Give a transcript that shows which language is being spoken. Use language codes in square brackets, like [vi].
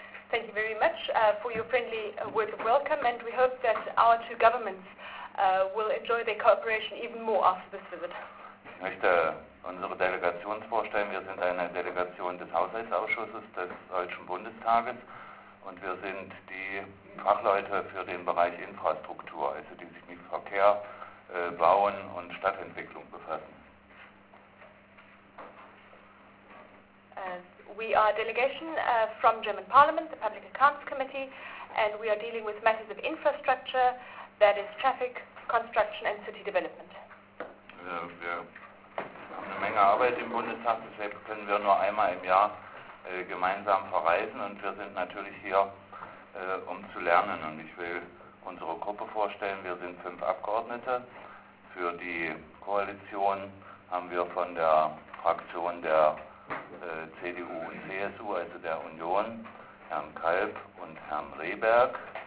[en] Thank you very much for your friendly word of welcome, and we hope that our two governments will enjoy their cooperation even more after this visit. [de] Ich möchte unsere Delegation vorstellen. Wir sind eine Delegation des Haushaltsausschusses des Deutschen Bundestages und wir sind die Fachleute für den Bereich Infrastruktur, also die sich mit Verkehr, Bauen und Stadtentwicklung befassen. [en] We are a delegation from German Parliament, the Public Accounts Committee, and we are dealing with matters of infrastructure, that is traffic, construction and city development. [de] Wir haben eine Menge Arbeit im Bundestag, deshalb können wir nur einmal im Jahr gemeinsam verreisen und wir sind natürlich hier, um zu lernen. Und ich will unsere Gruppe vorstellen. Wir sind 5 Abgeordnete. Für die Koalition haben wir von der Fraktion der CDU und CSU, also der Union, Herrn Kalb und Herrn Rehberg.